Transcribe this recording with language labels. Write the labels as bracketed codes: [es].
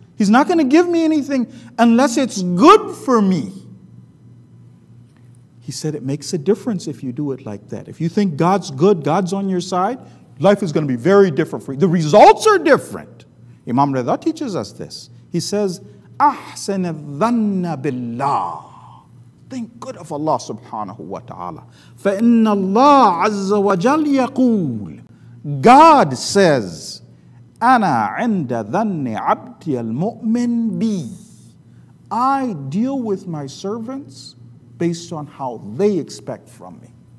[en] He's not going to give me anything unless it's good for me. He said it makes a difference if you do it like that. If you think God's good, God's on your side, life is going to be very different for you. The results are different. Imam Ridha teaches us this. [ar] He says, أحسن الظن بالله. [en] Think good of Allah subhanahu wa ta'ala. [ar] فَإِنَّ اللَّهَ عَزَّ وَجَلْ يَقُولُ [en] God says, [ar] أَنَا عِنْدَ ذَنِّ عَبْدِيَ الْمُؤْمِنْ بِي [en] I deal with my servants based on how they expect from me.